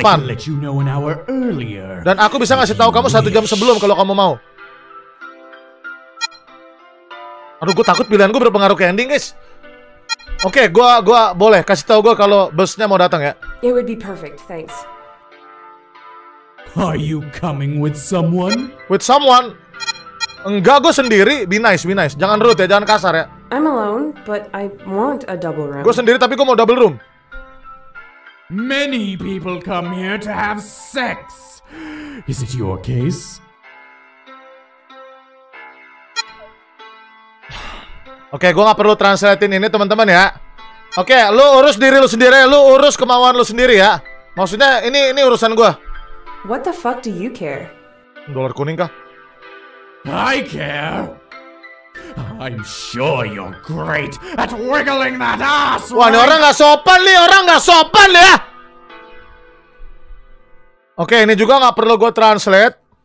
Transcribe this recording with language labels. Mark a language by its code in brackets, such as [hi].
[en] I can let you know an hour earlier. [id] Dan aku bisa ngasih tahu kamu 1 jam sebelum kalau kamu mau. Aduh, gue takut pilihan gue berpengaruh ke ending, guys. Oke, gua boleh kasih tahu gue kalau busnya mau datang ya. [en] It would be perfect. Thanks. Are you coming with someone? With someone? [id] Enggak, gue sendiri. [en] Be nice. [id] Jangan rude ya, jangan kasar ya. [en] I'm alone, but I want a double room. [id] Gue sendiri, tapi gue mau double room. [en] Many people come here to have sex. Is it your case? [id] Oke, gue gak perlu translatein ini, teman-teman ya. Oke, lu urus diri lu sendiri, lu urus kemauan lu sendiri ya. Maksudnya, ini urusan gue. [en] What the fuck do you care? [id] Dolar kuning kah? [en] I care. I'm sure you're great at wiggling that ass. [id] Wah, ini orang nggak sopan nih, orang nggak sopan ya. Oke, ini juga nggak perlu gue translate.